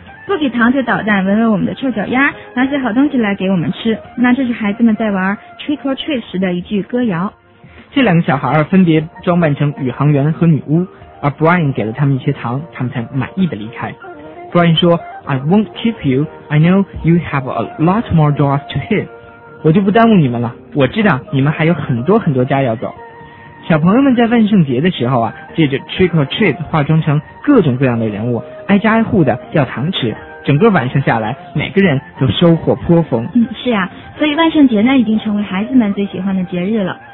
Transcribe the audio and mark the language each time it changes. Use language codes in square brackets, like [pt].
[zh] 不给糖就捣蛋，闻闻我们的臭脚丫，拿些好东西来给我们吃。那这是孩子们在玩 Trick or treat 时的一句歌谣。这两个小孩分别装扮成宇航员和女巫，而 Brian 给了他们一些糖，他们才满意的离开。 [en] Brian 说 I won't keep you, I know you have a lot more doors to hit. [zh] 我就不耽误你们了，我知道你们还有很多很多家要走。小朋友们在万圣节的时候啊，借着 trick or treat 化妆成各种各样的人物，挨家挨户的要糖吃，整个晚上下来每个人都收获颇丰。是啊，所以万圣节呢已经成为孩子们最喜欢的节日了。